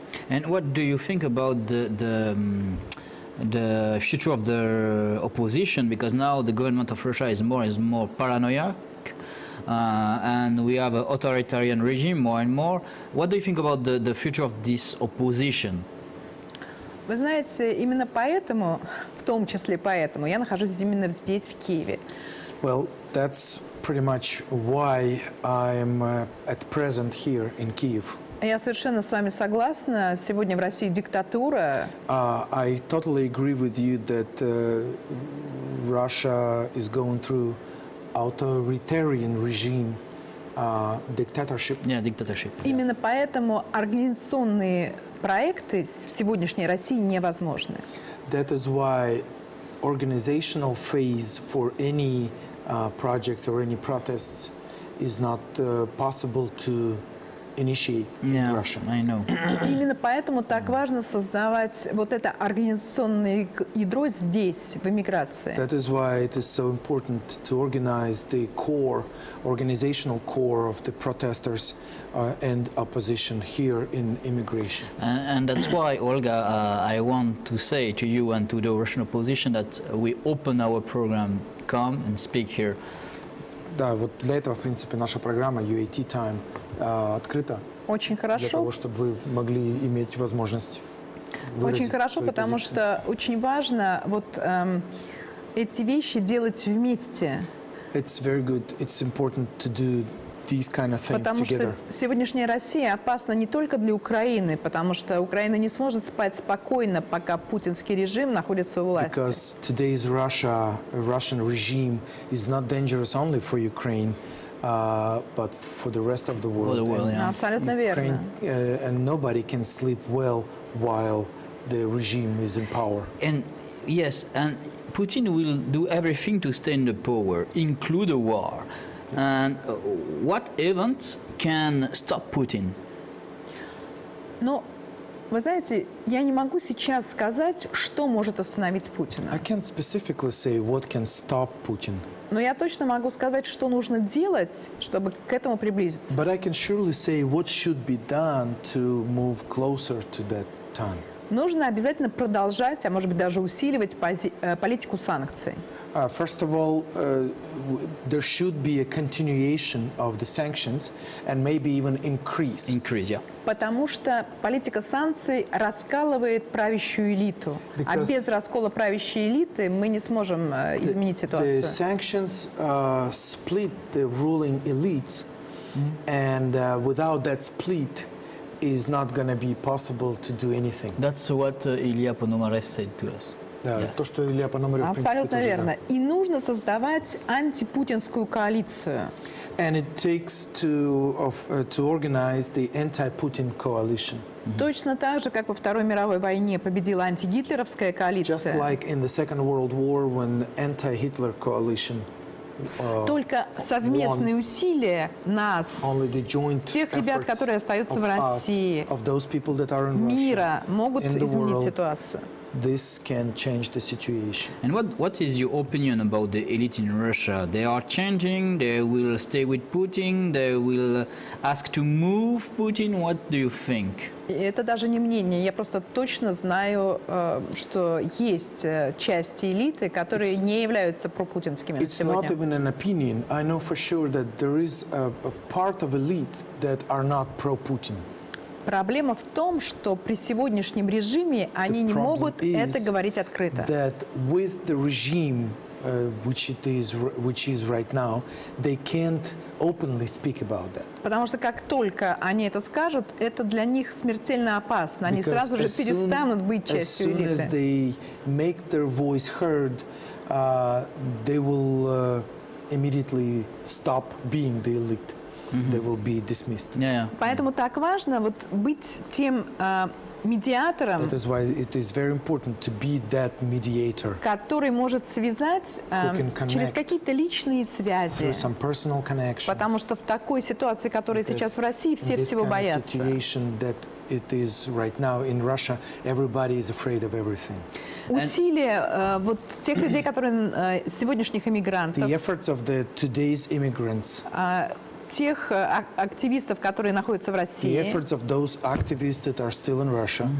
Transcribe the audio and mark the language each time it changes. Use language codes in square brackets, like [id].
[en] And what do you think about the future of the opposition? Because now the government of Russia is more paranoiac, and we have an authoritarian regime more and more. What do you think about the future of this opposition? [ru] Вы знаете, именно поэтому, в том числе поэтому, я нахожусь именно здесь, в Киеве. [en] Well, that's pretty much why I'm at present here in Kyiv. [ru] Я совершенно с вами согласна. Сегодня в России диктатура. [en] I totally agree with you that Russia is going through authoritarian regime, dictatorship. Yeah, dictatorship. Yeah. [ru] Именно поэтому организационные проекты в сегодняшней России невозможны. [en] That is why organizational phase for any projects or any protests is not possible to initiate in yeah, Russia. I know. [ru] Именно поэтому так важно создавать вот это организационное ядро здесь, в эмиграции. [en] That is why it is so important to organize the core, organizational core of the protesters and opposition here in immigration. And that's why, Olga, I want to say to you and to the Russian opposition that we open our program. Come and speak here. [ru] Да, вот для этого, в принципе, наша программа UAT Time открыто. Очень хорошо. Для того, чтобы вы могли иметь возможность выразить Очень хорошо, свои потому позиции. Что очень важно вот эти вещи делать вместе. [en] It's very good. It's important to do these kind of things [ru] потому [en] together. [ru] Потому что сегодняшняя Россия опасна не только для Украины, потому что Украина не сможет спать спокойно, пока путинский режим находится у власти. [en] Because today's Russia, Russian regime is not dangerous only for Ukraine. But for the rest of the world, absolutely yeah. Ukraine, and nobody can sleep well while the regime is in power. And yes, and Putin will do everything to stay in the power, include a war. Yeah. And what events can stop Putin? No. [ru] Вы знаете, я не могу сейчас сказать, что может остановить Путина. [en] I can't specifically say what can stop Putin. [ru] Но я точно могу сказать, что нужно делать, чтобы к этому приблизиться. [en] But I can surely say what should be done to move closer to that time. [ru] Нужно обязательно продолжать, а может быть даже усиливать политику санкций. [en] First of all, there should be a continuation of the sanctions and maybe even increase. Increase, yeah. [ru] Потому что политика санкций раскалывает правящую элиту. [en] Because [ru] а без раскола правящей элиты мы не сможем изменить ситуацию. [en] The sanctions split the ruling elites, and without that split, is not going to be possible to do anything. That's what Ilya Ponomarev said to us. [ru] Да, [en] yes. [ru] То, что Илья Пономарев, абсолютно в верно. Тоже, да. И нужно создавать антипутинскую коалицию. [en] And it takes to organize the anti-Putin coalition. Mm-hmm. [ru] Точно так же, как во Второй мировой войне победила антигитлеровская коалиция. [en] Just like in the Second World War when anti-Hitler coalition. [ru] Только совместные усилия нас, тех ребят, которые остаются в России, мира, могут изменить ситуацию. [en] This can change the situation. And what is your opinion about the elite in Russia? They are changing, they will stay with Putin, they will ask to move Putin. What do you think? [ru] Это даже не мнение. Я просто точно знаю, что есть части элиты, которые не являются пропутинскими сегодня. [en] It's not even an opinion. I know for sure that there is a part of elites that are not pro-Putin. [ru] Проблема в том, что при сегодняшнем режиме они не могут это говорить открыто. [en] That with the regime, which is right now, they can't openly speak about that. [ru] Потому что как только они это скажут, это для них смертельно опасно. Они сразу же перестанут быть частью элиты. [en] As soon as they make their voice heard, they will immediately stop being the elite. Mm-hmm. They will be dismissed. Yeah, yeah. [ru] Поэтому mm-hmm. так важно вот быть тем медиатором. [en] That is why it is very important to be that mediator. [ru] Который может связать через какие-то личные связи. [en] Through some personal connections. [ru] Потому что в такой ситуации, которая [en] Because [ru] сейчас в России, все всего боятся. [en] In this kind of situation that it is right now in Russia, everybody is afraid of everything. [ru] Усилия вот тех людей, которые сегодняшних иммигрантов. [en] The efforts of the today's immigrants. [ru] Тех активистов, которые находятся в России, [en] the efforts of those activists that are still in Russia,